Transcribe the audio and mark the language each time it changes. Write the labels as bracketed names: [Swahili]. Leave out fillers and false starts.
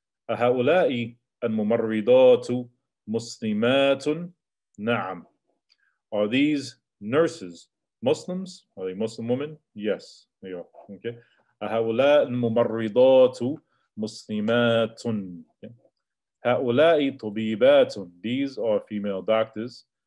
[Arabic] أهؤلاء الممرضات مسلمات؟ نعم. [English] Are these nurses Muslims? Are they Muslim women? Yes, they are. Okay. [Arabic] أهؤلاء الممرضات مسلمات؟ هؤلاء طبيبات. [English] These are female doctors.